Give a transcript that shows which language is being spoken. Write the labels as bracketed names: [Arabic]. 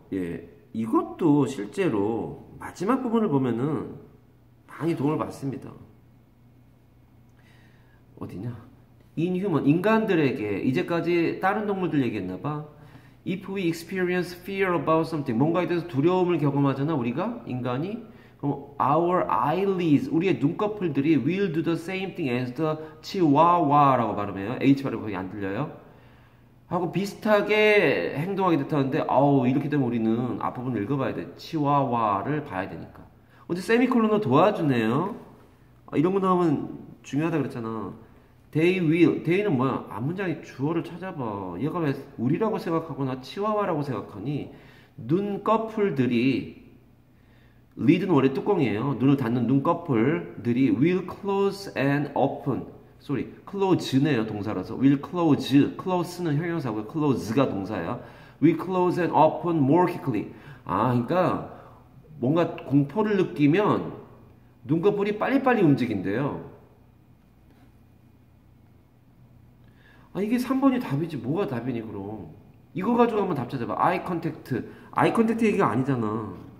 [Korean] 예, 이것도 실제로 마지막 부분을 보면은 많이 도움을 받습니다. 어디냐? Inhuman, 인간들에게 이제까지 다른 동물들 얘기했나봐. [English] If we experience fear about something, [Korean] 뭔가에 대해서 두려움을 경험하잖아 우리가 인간이. [English] 그럼 our eyelids, [Korean] 우리의 눈꺼풀들이 [English] will do the same thing as the chihuahua라고 발음해요. [Korean] H 발음 거의 안 들려요. 하고 비슷하게 행동하게 됐다는데, 아우 이렇게 되면 우리는 앞부분 읽어봐야 돼. 치와와를 봐야 되니까. 어제 세미콜론으로 도와주네요. 아, 이런 거 나오면 중요하다 그랬잖아. [English] They will. They는 [Korean] 뭐야? 앞 문장의 주어를 찾아봐. 얘가 왜 우리라고 생각하거나 치와와라고 생각하니? 눈꺼풀들이, lid은 원래 뚜껑이에요. 눈을 닫는 눈꺼풀들이 [English] will close and open. [Korean] Sorry, close네요, 동사라서. [English] Will close. [Korean] Close는 형용사고요. Close가 동사야. [English] We close and open more quickly. [Korean] 아, 그러니까 뭔가 공포를 느끼면 눈꺼풀이 빨리빨리 움직인대요. 아, 이게 3번이 답이지. 뭐가 답이니, 그럼. 이거 가지고 한번 답 찾아봐. Eye contact. Eye contact 얘기가 아니잖아.